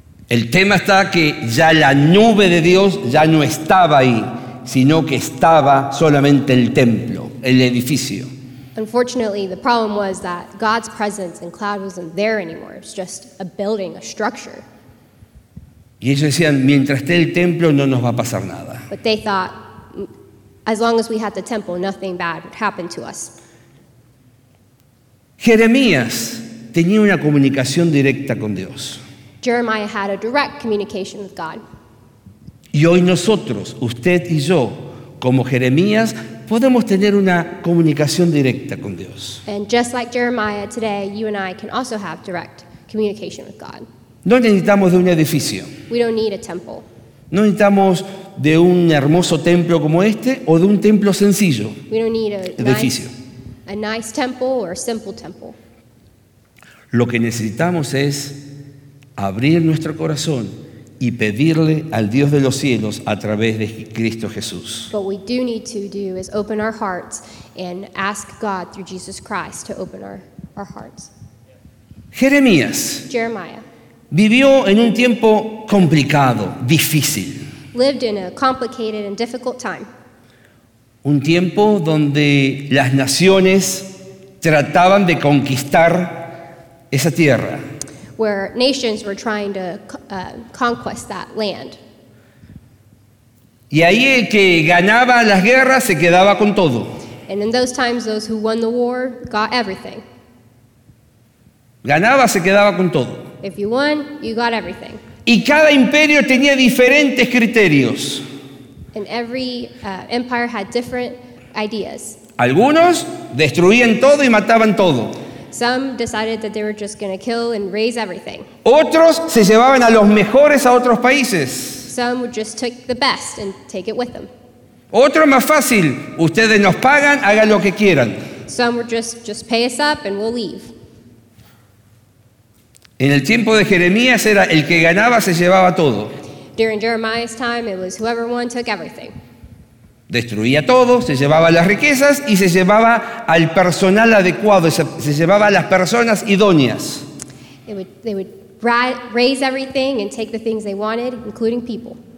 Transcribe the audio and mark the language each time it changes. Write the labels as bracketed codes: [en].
[es] El tema está que ya la nube de Dios ya no estaba ahí, sino que estaba solamente el templo, el edificio. [en] Unfortunately, the problem was that God's presence and cloud wasn't there anymore. It's just a building, a structure. [es] Y ellos decían, mientras esté el templo, no nos va a pasar nada. [en] But they thought, as long as we had the temple, nothing bad would happen to us. [es] Jeremías tenía una comunicación directa con Dios. [en] Jeremiah had a direct communication with God. [es] Y hoy nosotros, usted y yo, como Jeremías, podemos tener una comunicación directa con Dios. [en] And just like Jeremiah, today you and I can also have direct communication with God. [es] No necesitamos de un edificio. [en] We don't need a temple. [es] No necesitamos de un hermoso templo como este o de un templo sencillo. [en] We don't need [es] edificio. [en] Nice, a nice temple or a simple temple. [es] Lo que necesitamos es abrir nuestro corazón y pedirle al Dios de los cielos a través de Cristo Jesús. [en] What we do need to do is open our hearts and ask God through Jesus Christ to open our hearts. [es] Jeremías. [en] Jeremiah. [es] Vivió en un tiempo complicado, difícil. [en] Lived in a complicated and difficult time. [es] Un tiempo donde las naciones trataban de conquistar esa tierra. [en] Where nations were trying to conquest that land. [es] Y ahí el que ganaba las guerras se quedaba con todo. [en] And in those times, those who won the war got everything. [es] Ganaba, se quedaba con todo. [en] If you won, you got everything. [es] Y cada imperio tenía diferentes criterios. [en] And every empire had different ideas. [es] Algunos destruían todo y mataban todo. [en] Some decided that they were just going to kill and raise everything. [es] Otros se llevaban a los mejores a otros países. [en] Some would just take the best and take it with them. [es] Otro más fácil, ustedes nos pagan, hagan lo que quieran. [en] Some would just pay us up and we'll leave. [es] En el tiempo de Jeremías era el que ganaba se llevaba todo. [en] During Jeremiah's time, it was whoever won took everything. [es] Destruía todo, se llevaba las riquezas y se llevaba al personal adecuado, se llevaba a las personas idóneas. [en] They would raise everything and take the things they wanted, including people.